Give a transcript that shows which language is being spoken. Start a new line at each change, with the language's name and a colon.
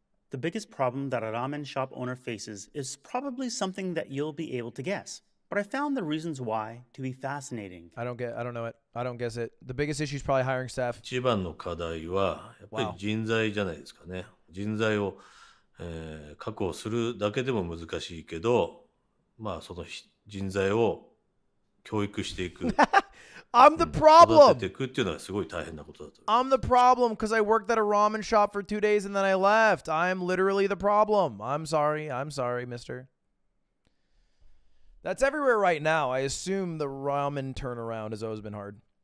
English: The biggest problem that a ramen shop owner faces is probably something that you'll be able to guess. But I found the reasons why to be fascinating. I don't know it. I don't guess it. The biggest issue is probably hiring staff.
Japanese: 一番の課題はやっぱり人材じゃないですかね。人材を、確保するだけでも難しいけど、まあその人材を教育していく。
English: I'm the problem.
Japanese: 育てていくっていうのはすごい大変なことだと。
English: I'm the problem because I worked at a ramen shop for 2 days and then I left. I'm literally the problem. I'm sorry, mister. That's everywhere right now. I assume the ramen turnaround has always been hard.